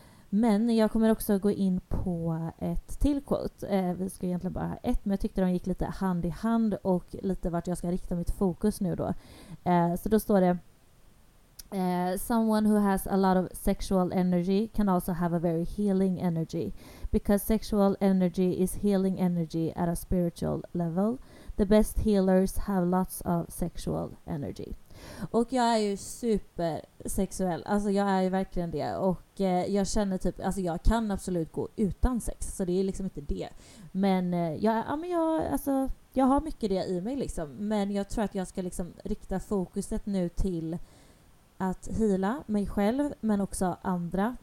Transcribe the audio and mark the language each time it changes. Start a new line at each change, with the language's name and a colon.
Swedish: Men jag kommer också gå in på ett till quote. Vi ska egentligen bara ha ett, men jag tyckte de gick lite hand i hand och lite vart jag ska rikta mitt fokus nu då. Så då står det:
English: someone who has a lot of sexual energy can also have a very healing energy, because sexual energy is healing energy at a spiritual level. The best healers have lots of sexual energy.
Swedish: Och jag är ju supersexuell. Alltså jag är ju verkligen det. Och jag känner typ, alltså jag kan absolut gå utan sex, så det är liksom inte det. Men jag har mycket det i mig liksom. Men jag tror att jag ska liksom rikta fokuset nu till att hila mig själv, men också andra.